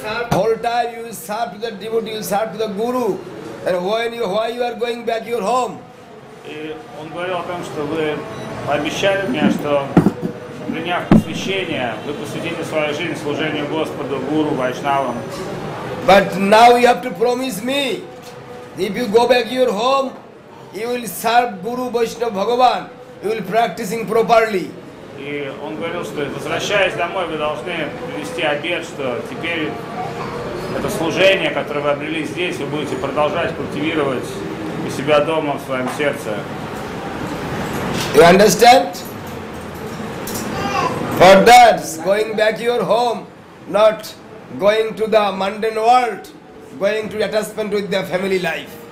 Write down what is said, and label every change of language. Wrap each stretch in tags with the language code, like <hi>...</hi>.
<en>Whole time you will serve to the devotee, you will serve to the guru. And why you are going back to your home?</en> <ru>Он говорил о том, что вы обещали мне, что приняв посвящение, вы посвятите свою жизнь служению Господу, Гуру, Вайшнавам.</ru> <en>But now you have to promise me, if you go back to your home, you will serve Guru, Vaishnava, Bhagavan, you will practicing properly.</en> <ru>И он говорил, что возвращаясь домой, вы должны принести обет, что теперь это служение, которое вы обрели здесь, вы будете продолжать культивировать у себя дома в своем сердце.</ru> <en>You understand? For that, going back your home, not going to the mundane world, going to attachment with their family life.</en>